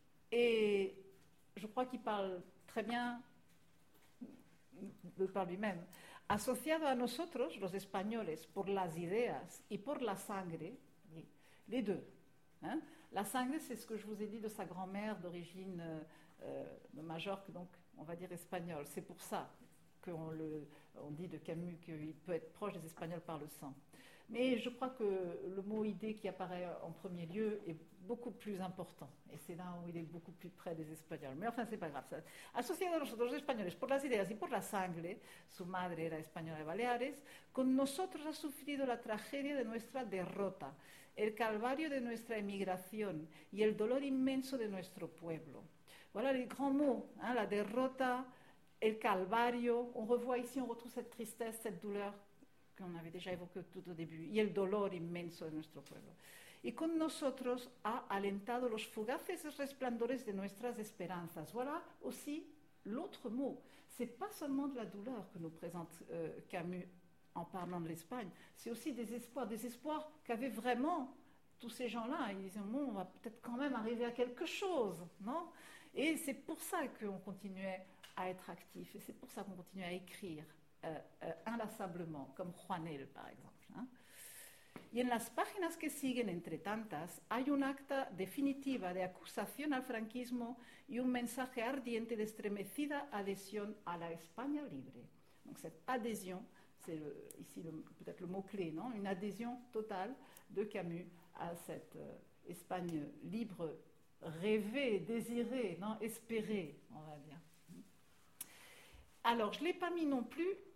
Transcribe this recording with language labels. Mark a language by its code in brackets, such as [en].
[fr] Et je crois qu'il parle très bien de par lui-même. [es] Asociado a nosotros, los españoles, por las ideas y por la sangre, [fr] les deux. Hein. La sangre, c'est ce que je vous ai dit de sa grand-mère d'origine de Majorque, donc on va dire espagnole. C'est pour ça qu'on dit de Camus qu'il peut être proche des Espagnols par le sang. Mais je crois que le mot idée qui apparaît en premier lieu est beaucoup plus important. Et c'est là où il est beaucoup plus près des Espagnols. Mais enfin, c'est pas grave. [es] Associado a nosotros españoles por las ideas y por la sangre, su madre era española de Baleares, con nosotros ha sufrido la tragedia de nuestra derrota, el calvario de nuestra emigración y el dolor inmenso de nuestro pueblo. [fr] Voilà les grands mots, hein, [es] la derrota, el calvario. [fr] On revoit ici, on retrouve cette tristesse, cette douleur qu'on avait déjà évoqué tout au début, [es] y el dolor inmenso de nuestro pueblo. Y con nosotros ha alentado los fugaces resplandores de nuestras esperanzas. [fr] Voilà aussi l'autre mot. C'est pas seulement de la douleur que nous présente Camus en parlant de l'Espagne, c'est aussi des espoirs qu'avaient vraiment tous ces gens-là. Ils disaient, bon, on va peut-être quand même arriver à quelque chose, non? Et c'est pour ça qu'on continuait à être actif, et c'est pour ça qu'on continuait à écrire. Inlassablement, comme Juanel, par exemple. Hein. [es] Y en las páginas que siguen entre tantas, hay un acta definitiva de acusación al franquismo y un mensaje ardiente de estremecida adhesión a la España libre. [fr] Donc cette adhésion, c'est ici peut-être le mot-clé, non? Une adhésion totale de Camus à cette Espagne libre, rêvée, désirée, non? Espérée, on va dire. Alors, je ne l'ai pas mis non plus.